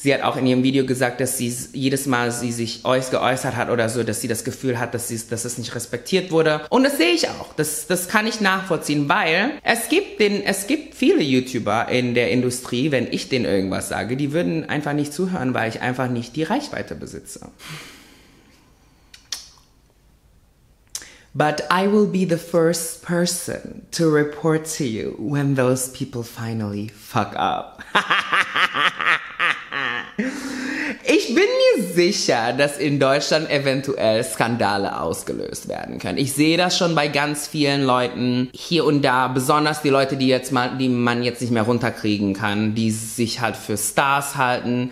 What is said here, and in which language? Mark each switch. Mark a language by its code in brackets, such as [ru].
[de] Sie hat auch in ihrem Video gesagt, dass sie jedes Mal, sie sich geäußert hat oder so, dass sie das Gefühl hat, dass es nicht respektiert wurde. Und das sehe ich auch. Das kann ich nachvollziehen, weil es gibt viele YouTuber in der Industrie, wenn ich denen irgendwas sage, die würden einfach nicht zuhören, weil ich einfach nicht die Reichweite besitze. [en] But I will be the first person to report to you when those people finally fuck up. [de] Ich bin mir sicher, dass in Deutschland eventuell Skandale ausgelöst werden können. Ich sehe das schon bei ganz vielen Leuten hier und da, besonders die Leute, die man jetzt nicht mehr runterkriegen kann, die sich halt für Stars halten.